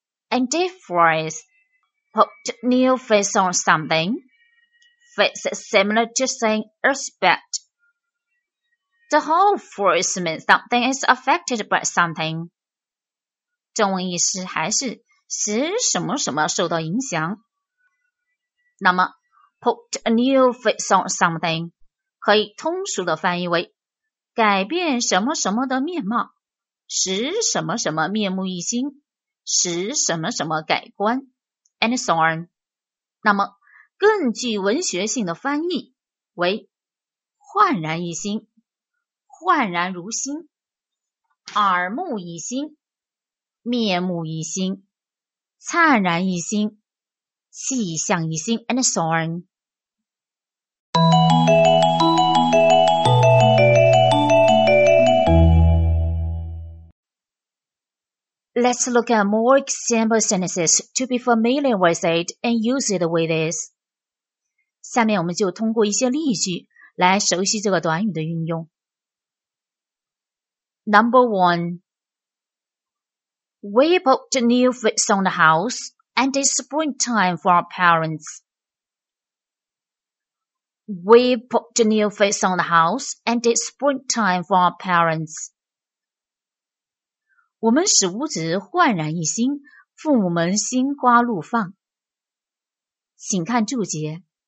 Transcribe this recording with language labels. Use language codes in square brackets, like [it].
[en] And this phrase put a new face on somethingFace is similar to saying respect. The whole phrase means something is affected by something. [zh] 中文意思还是使什么什么受到影响。那么 [en] put a new face on something [zh] 可以通俗的翻译为改变什么什么的面貌，使什么什么面目一新，使什么什么改观 [en] and so on。 [zh] 那么更具文学性的翻译为焕然一新、焕然如新、耳目一新、面目一新、灿然一新、气象一新 [en] and so on。 Let's look at more example sentences to be familiar with it and use it with this。 [zh] 下面我们就通过一些例句来熟悉这个短语的运用。 [en] Number 1, We put a new face on the house and it's springtime for our parents. We put a new face on the house and it's springtime for our parents. [zh] 我们使屋子焕然一新，父母们心花怒放。请看注解。